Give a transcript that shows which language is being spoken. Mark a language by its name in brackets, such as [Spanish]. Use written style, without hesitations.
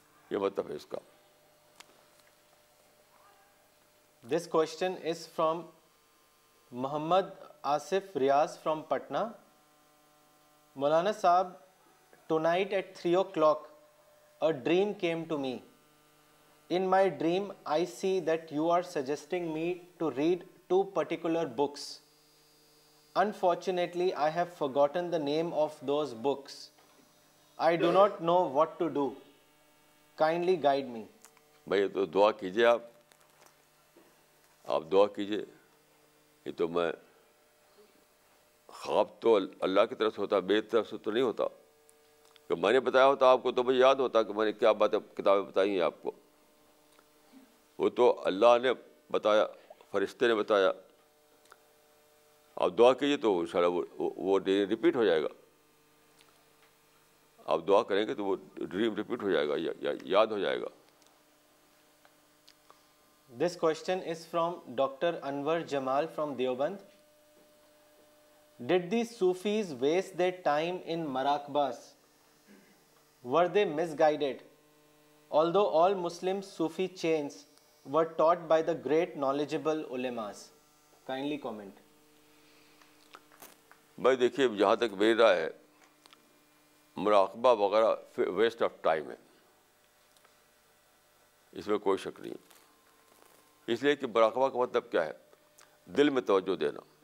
[Urdu] یہ مطلب ہے اس کا. [English] This question is from Muhammad Asif Riaz from Patna. Maulana Sahab, tonight at 3:00 a dream came to me. In my dream, I see that you are suggesting me to read two particular books. Unfortunately, I have forgotten the name of those books. I do not know what to do. Kindly guide me. [Urdu] Bhaiya, to dua kijiye aap. Aap dua kijiye. یہ تو میں خواب تو اللہ کی طرف سے ہوتا, میری طرف سے تو نہیں ہوتا. کہ میں نے بتایا ہوتا آپ کو تو مجھے یاد ہوتا کہ میں نے کیا باتیں کتابیں بتائی ہیں آپ کو. وہ تو اللہ نے بتایا, فرشتے نے بتایا. آپ دعا کیجیے تو ان شاء اللہ وہ ڈریم ریپیٹ ہو جائے گا. آپ دعا کریں گے تو وہ ڈریم ریپیٹ ہو جائے گا, یاد ہو جائے گا. [English] This question is from Dr. Anwar Jamal from Deoband. Did these Sufis waste their time in maraqbas? Were they misguided? Although all Muslim Sufi chains were taught by the great knowledgeable ulemas. Kindly comment. [Urdu] بھائی دیکھیے, جہاں تک میری رائے ہے مراقبہ وغیرہ [English] waste of time [Urdu] ہے, اس میں کوئی شک نہیں. اس لیے کہ مراقبہ کا مطلب کیا ہے, دل میں توجہ دینا.